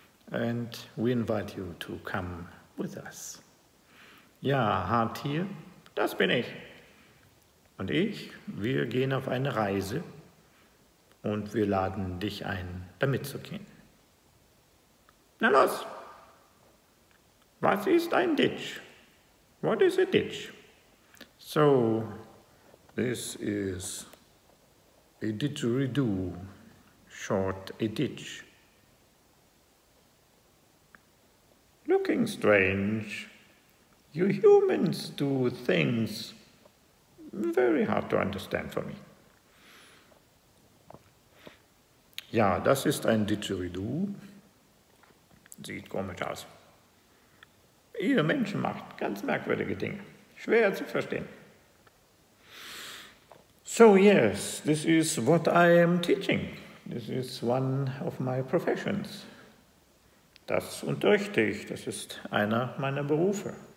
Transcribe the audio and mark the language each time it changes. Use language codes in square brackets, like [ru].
[en] And we invite you to come with us. [de] Ja, Haartier, das bin ich. Und ich, wir gehen auf eine Reise und wir laden dich ein, damit zu gehen. Na los! Was ist ein Ditch? [en] What is a ditch? So, this is a didgeridoo, short a ditch. Looking strange, you humans do things very hard to understand for me. [de] Ja, das ist ein didgeridoo. Sieht komisch aus. Ihr Menschen macht ganz merkwürdige Dinge, schwer zu verstehen. [en] So yes, this is what I am teaching. This is one of my professions. [de] Das unterrichte ich, das ist einer meiner Berufe.